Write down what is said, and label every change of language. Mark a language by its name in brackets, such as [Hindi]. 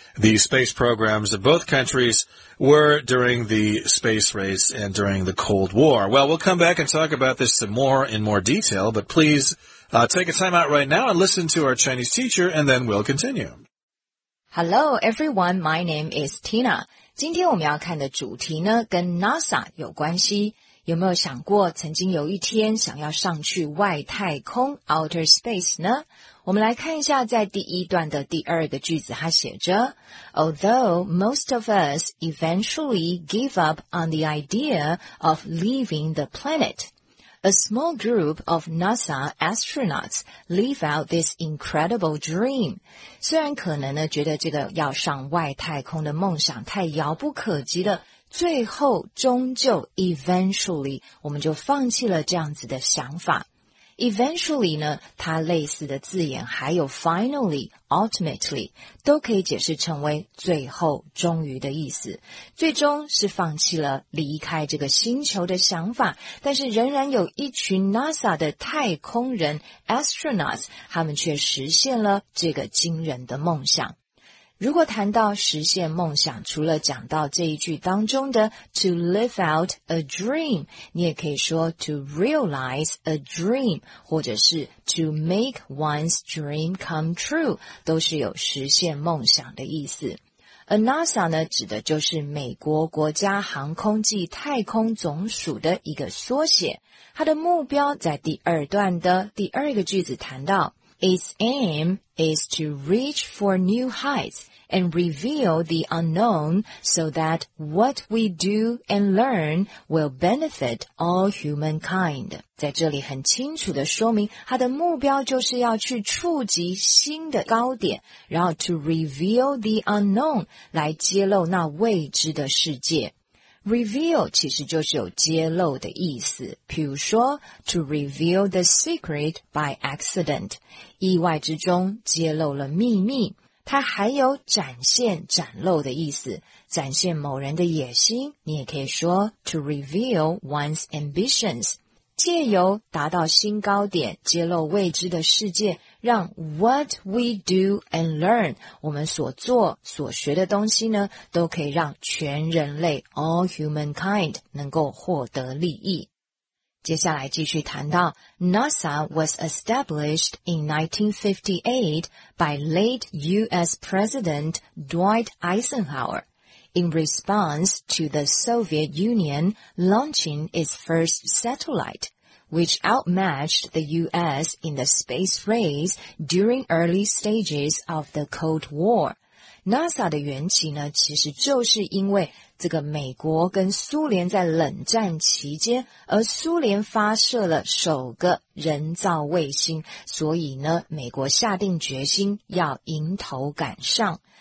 [English] The space programs of both countries were during the space race and during the Cold War. Well, we'll come back and talk about this some more in more detail, but please take a time out right now and listen to our Chinese teacher, and then we'll continue. Hello, everyone. My name is Tina. [Chinese] 今天我们要看的主题呢跟 NASA 有关系。有没有想过曾经有一天想要上去外太空 outer space 呢？我们来看一下在第一段的第二个句子，它写着 [English] Although most of us eventually give up on the idea of leaving the planet, a small group of NASA astronauts live out this incredible dream. [Chinese] 虽然可能呢觉得这个要上外太空的梦想太遥不可及了，最后终究 eventually 我们就放弃了这样子的想法。 Eventually 呢，它类似的字眼还有 finally, ultimately 都可以解释成为最后、终于的意思。最终是放弃了离开这个星球的想法，但是仍然有一群 NASA 的太空人 astronauts， 他们却实现了这个惊人的梦想。如果谈到实现梦想，除了讲到这一句当中的 [English] to live out a dream， [Chinese] 你也可以说 [English] to realize a dream， [Chinese] 或者是 [English] to make one's dream come true， [Chinese] 都是有实现梦想的意思。而 NASA 呢，指的就是美国国家航空暨太空总署的一个缩写。它的目标在第二段的第二个句子谈到 [English] Its aim is to reach for new heights and reveal the unknown so that what we do and learn will benefit all humankind. [Chinese] 在这里很清楚地说明它的目标就是要去触及新的高点，然后 [English] to reveal the unknown [Chinese] 来揭露那未知的世界。 Reveal 其实就是有揭露的意思，譬如说 [English] to reveal the secret by accident， [Chinese] 意外之中揭露了秘密。它还有展现、展露的意思，展现某人的野心，你也可以说 [English] to reveal one's ambitions， [Chinese] 借由达到新高点，揭露未知的世界，让 [English] what we do and learn [Chinese] 我们所做所学的东西呢，都可以让全人类 all humankind 能够获得利益。接下来继续谈到 [English] NASA was established in 1958 by late US President Dwight Eisenhower in response to the Soviet Union launching its first satelliteWhich outmatched the U.S. in the space race during early stages of the Cold War. [Chinese] NASA 的缘起呢，其实就是因为这个美国跟苏联在冷战期间，而苏联发射了首个人造卫星，所以呢，美国下定决心要迎头赶上。